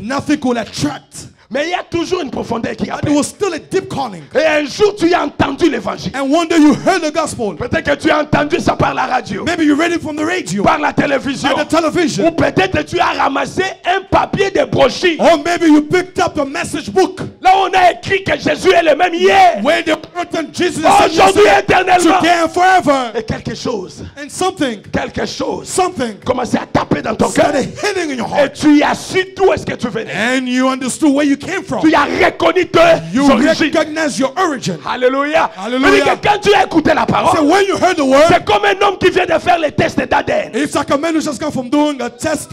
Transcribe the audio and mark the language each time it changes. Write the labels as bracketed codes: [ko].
[en] Nothing could attract. [fr] Mais il y a toujours une profondeur qui appelle. [en] But there was still a deep calling. [fr] Et un jour tu as entendu l'évangile. [en] And one day you heard the gospel. [fr] Peut-être que tu as entendu ça par la radio. [en] Maybe you read it from the radio. [fr] Par la télévision. [en] By the television. [fr] Ou peut-être que tu as ramassé un papier de brochure. [en] Or maybe you picked up a message book. [fr] Là on a écrit que Jésus est le même hier. [en] Where they wrote on Jesus. [fr] Aujourd'hui éternellement. [en] Today and forever. [fr] Et quelque chose. [en] And something. [fr] Quelque chose. [en] Something. [fr] Commencez à taper dans ton cœur. [en] Started hitting in your heart. [fr] Et tu as su d'où est-ce que tu venais. [en] And you understood where you came from. [fr] Tu as reconnu [en] you recognize your origin. [fr] Hallelujah. [en] Hallelujah. [fr] Que quand tu as écouté la parole, [en] so when you heard the word, [fr] c'est comme un homme qui vient de faire les tests d'ADN. [en] It's like a man who just come from doing a test.